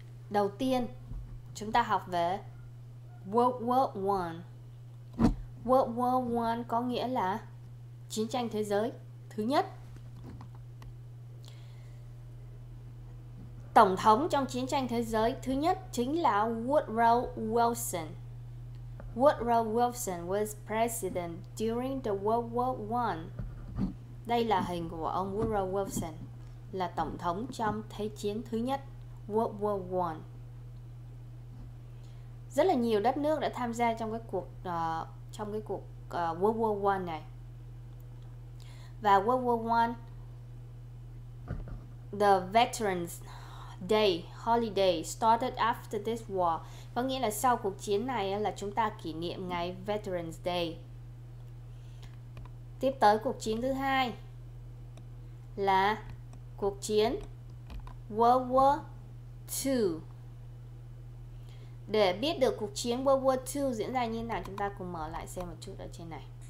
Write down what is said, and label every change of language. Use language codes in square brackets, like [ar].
[vi] Đầu tiên chúng ta học về World War One. World War One có nghĩa là chiến tranh thế giới thứ nhất. Tổng thống trong chiến tranh thế giới thứ nhất chính là Woodrow Wilson. [en] Woodrow Wilson was president during the World War One. [vi] Đây là hình của ông Woodrow Wilson, là tổng thống trong thế chiến thứ nhất, World War One. Rất là nhiều đất nước đã tham gia trong cái cuộc World War One này. [en] Và World War One, the veterans Day, holiday, started after this war. [vi] Có nghĩa là sau cuộc chiến này là chúng ta kỷ niệm ngày Veterans Day. Tiếp tới cuộc chiến thứ hai là cuộc chiến World War II. Để biết được cuộc chiến World War II diễn ra như thế nào, chúng ta cùng mở lại xem một chút ở trên này.